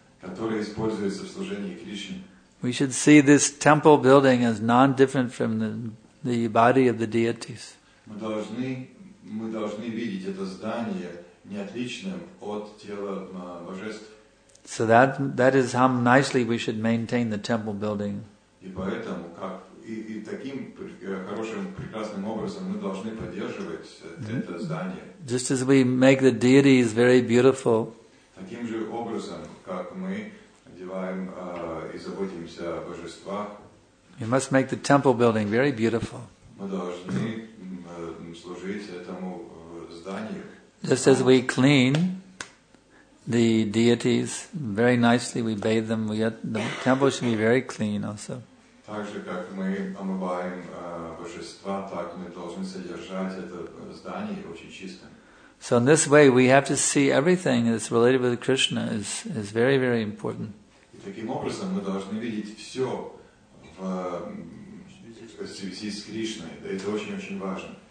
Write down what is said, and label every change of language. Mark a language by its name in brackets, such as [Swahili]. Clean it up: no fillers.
[Russian] Которое используется в служении Кришне. [English] We should see this temple building as non-different from the body of the deities. [Russian] Мы должны видеть это здание неотличным от тела божеств. [English] So that is how nicely we should maintain the temple building. [Russian] И поэтому как и таким хорошим прекрасным образом мы должны поддерживать это здание. [English] Just as we make the deities very beautiful. [Russian] Таким же образом, как мы одеваем и заботимся о божествах. [English] We must make the temple building very beautiful. [Russian] Мы должны служить этому зданию. [English] Just as we clean the deities very nicely, we bathe them. The temple should be very clean also. [Russian] Так же как мы омываем божества, так мы должны содержать это здание очень чистым. [English] So in this way, we have to see everything that's related with Krishna is very, very important. [Russian] И таким образом мы должны видеть все в связи с Кришной. Да, это очень-очень важно.